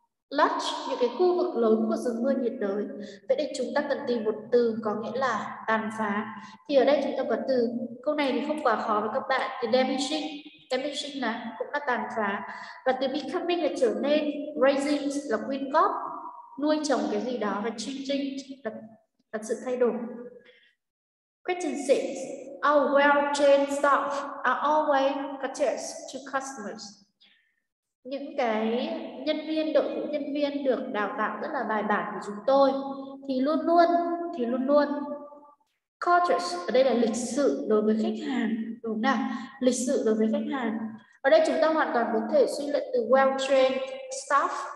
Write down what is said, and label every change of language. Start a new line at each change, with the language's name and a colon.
Vietnamese: Large, những cái khu vực lớn của rừng mưa nhiệt đới. Vậy nên chúng ta cần tìm một từ có nghĩa là tàn phá. Thì ở đây chúng ta có từ, câu này thì không quá khó với các bạn, thì damaging. Damaging là cũng là tàn phá. Và từ becoming là trở nên. Raising là quyên góp, nuôi trồng cái gì đó. Và changing là sự thay đổi.
English: Question 6. Our well-trained staff are always courteous to customers.
Vietnamese: Những cái nhân viên, đội ngũ nhân viên được đào tạo rất là bài bản của chúng tôi thì luôn luôn courteous ở đây là lịch sự đối với khách hàng. Đúng nào, lịch sự đối với khách hàng. Ở đây chúng ta hoàn toàn có thể suy luận từ well-trained staff.